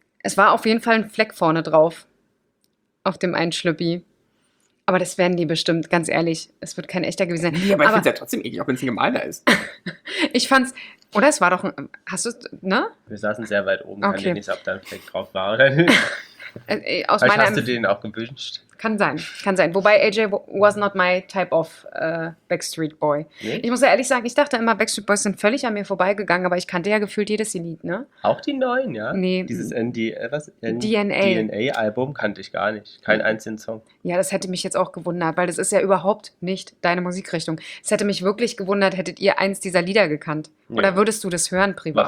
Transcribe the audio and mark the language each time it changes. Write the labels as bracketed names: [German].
[German] Es war auf jeden Fall ein Fleck vorne drauf, auf dem einen Schlüppi. Aber das werden die bestimmt, ganz ehrlich, es wird kein echter gewesen sein. Ja, aber ich finde es ja trotzdem eklig, auch wenn es ein gemeiner ist. Ich fand's, oder es war doch, hast du, ne? Wir saßen sehr weit oben, okay, kann ich nicht, ob da ein Fleck drauf war oder nicht. Aus meiner hast du den auch gewünscht? Kann sein. Wobei [English] AJ was not my type of Backstreet Boy. [German] Nee? Ich muss ja ehrlich sagen, ich dachte immer, Backstreet Boys sind völlig an mir vorbeigegangen, aber ich kannte ja gefühlt jedes Lied, ne? Auch die neuen, ja? Nee. Dieses DNA-Album kannte ich gar nicht. Keinen einzigen Song. Ja, das hätte mich jetzt auch gewundert, weil das ist ja überhaupt nicht deine Musikrichtung. Es hätte mich wirklich gewundert, hättet ihr eins dieser Lieder gekannt? Ja. Oder würdest du das hören privat?